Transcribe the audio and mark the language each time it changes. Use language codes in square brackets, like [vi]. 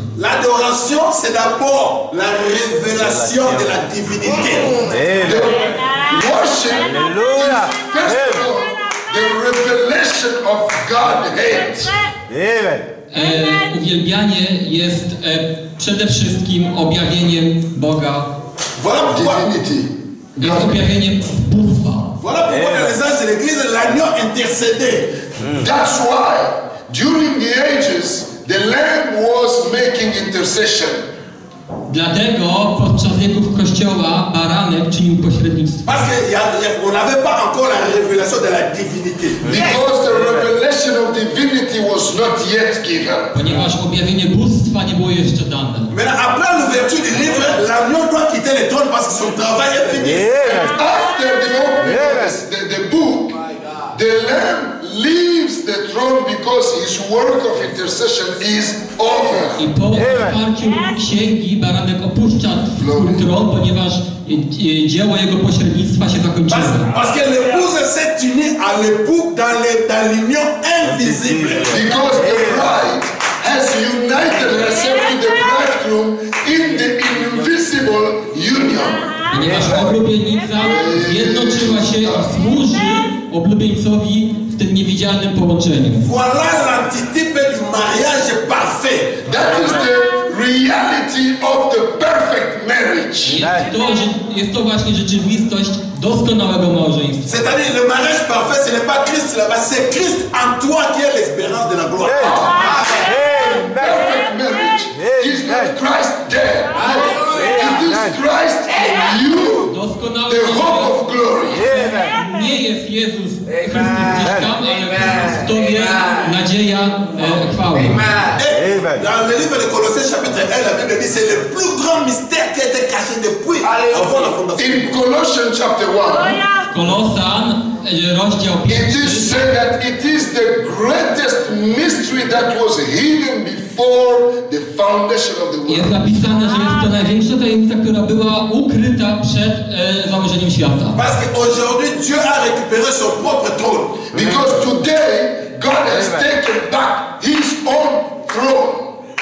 [fr] L'adoration, c'est d'abord la révélation de la divinité. [en] Worship Alléluia. Is first of all the revelation of Godhead. Amen. [pl] Uwielbianie jest przede wszystkim objawieniem Boga. [fr] Voilà pourquoi. [pl] Jest objawieniem Bóstwa. [fr] Voilà pourquoi les anges de l'Église l'agneau intercédé. [en] That's why during the ages the Lamb was making intercession. [pl] Dlatego podczas wieków kościoła baranek czynił pośrednictwo. [fr] Parce que on n'avait pas encore la révélation de la divinité. [en] Because the revelation of divinity was not yet given. [pl] Ponieważ objawienie bóstwa nie było jeszcze dane. [fr] Mais après l'ouverture du livre, l'agneau doit quitter le trône parce que son travail est fini. Yeah. [en] After the opening of the book, the Lamb leaves the throne because his work of intercession is over. [pl] I po otwarciu księgi baranek opuszcza swój tron, ponieważ dzieło jego pośrednictwa się zakończyło. [fr] Parce que l'épouse s'est unie à l'époux dans l'union invisible. [en] Because the bride has united herself to the bridegroom in the invisible union. [pl] Ponieważ oblubienica zjednoczyła się i służy oblubieńcowi w tym niewidzialnym połączeniu. [fr] Voilà l'antitype du mariage parfait. [en] That is the reality of the perfect marriage. [pl] Jest to właśnie rzeczywistość doskonałego małżeństwa. [fr] C'est-à-dire le mariage parfait, ce n'est pas Christ là-bas, c'est Christ en toi qui est l'espérance de la gloire. [en] Amen. Perfect marriage. Is not Christ there. It is Christ in you. The hope of glory. [pl] Nie jest Jezus Chrystus gdzieś tam, ale nadzieja chwały. Amen. [fr] Dans le livre de Colossiens chapitre 1, la Bible dit c'est le plus grand mystère qui a été caché depuis avant la fondation. [en] In Colossians chapter 1. [pl] Kolosan, rozdział 5. [en] It is said that it is the greatest mystery that was hidden before the foundation of the world. [pl] Jest napisane, że jest to największa tajemnica, która była ukryta przed założeniem świata. [fr] Parce que aujourd'hui Dieu a récupéré son propre trône. [en] Because today God has taken back his own throne.